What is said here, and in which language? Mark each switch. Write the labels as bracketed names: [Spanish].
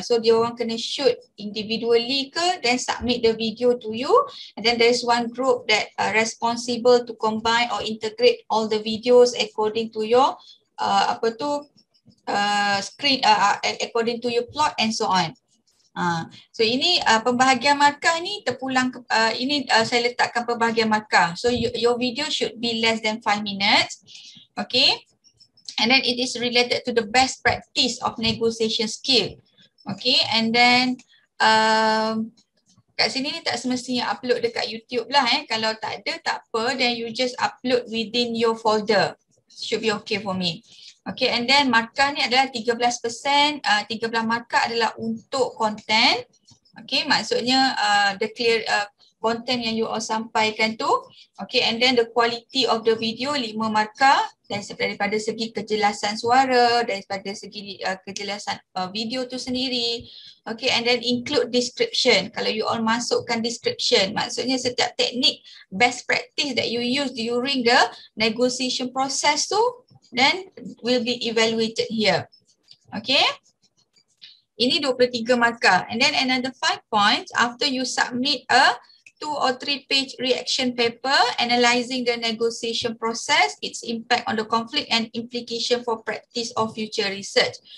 [English] So [Malay] dia orang kena [English] shoot individually ke, then submit the video to you, and then there's one group that responsible to combine or integrate all the videos according to your according to your plot and so on. [Malay] So ini pembahagian markah ni terpulang saya letakkan pembahagian markah. [English] So your video should be less than 5 minutes. Okay, and then it is related to the best practice of negotiation skill. Okay, and then [Malay] kat sini ni tak semestinya upload dekat YouTube lah eh. Kalau tak ada, tak apa. [English] Then you just upload within your folder. Should be okay for me. Okay, and then [Malay] markah ni adalah 13%. 13 markah adalah untuk content. [English] Okay, maksudnya the clear content yang you all sampaikan tu. Okay, and then the quality of the video 5 markah. [Malay] Dan daripada segi kejelasan suara, daripada segi kejelasan video tu sendiri. [English] Okay, and then include description. [Malay] Kalau you all masukkan description, maksudnya setiap teknik [English] best practice that you use during the negotiation process tu, then will be evaluated here. Okay. [Malay] Ini 23 markah. [English] And then another 5 points, after you submit a 2 or 3 page reaction paper analyzing the negotiation process, its impact on the conflict and implication for practice of future research.